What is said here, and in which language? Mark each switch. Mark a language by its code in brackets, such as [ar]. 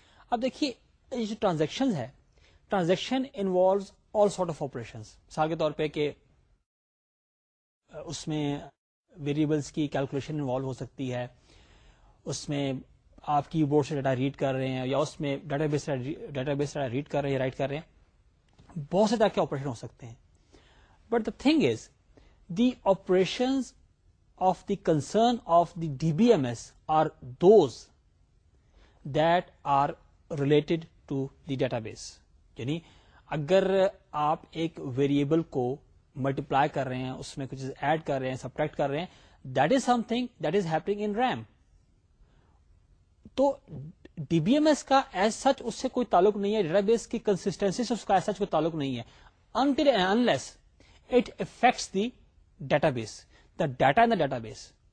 [ur] اب دیکھیے یہ جو ٹرانزیکشن ہے transaction involves all sort of operation, مثال کے طور پہ کہ اس میں ویریبلس کی کیلکولیشن انوالو ہو سکتی ہے, اس میں آپ کی بورڈ سے ڈیٹا ریڈ کر رہے ہیں یا اس میں ڈیٹا بیس ریڈ کر رہے ہیں رائٹ کر رہے ہیں, بہت سے طرح کے آپریشن ہو سکتے ہیں. [en] But the thing is the operation of the concern of the D B M S R those that are related to the database. [ur] یعنی اگر آپ ایک ویریبل کو ملٹیپلائی کر رہے ہیں, اس میں کچھ ایڈ کر رہے ہیں, سبٹریکٹ کر رہے ہیں, [en] That is something that is happening in RAM. [ur] تو ڈی بی ایم ایس کا ایز سچ اس سے کوئی تعلق نہیں ہے, ڈیٹا بیس کی کنسٹنسی سے اس کا ایز سچ کوئی تعلق نہیں ہے, [en] until unless it affects the database, [ur] the data in the data base.